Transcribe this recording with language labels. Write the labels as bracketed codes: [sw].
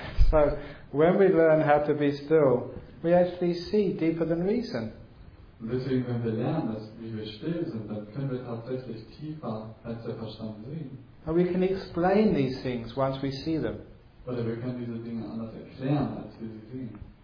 [en] So when we learn how to be still, we actually see deeper than reason. [de] Deswegen, wenn wir lernen, dass wir still sind, dann können wir tatsächlich tiefer als der Verstand sehen. [en] And we can explain these things once we see them. [de] Oder wir können diese Dinge anders erklären, als wir sie sehen.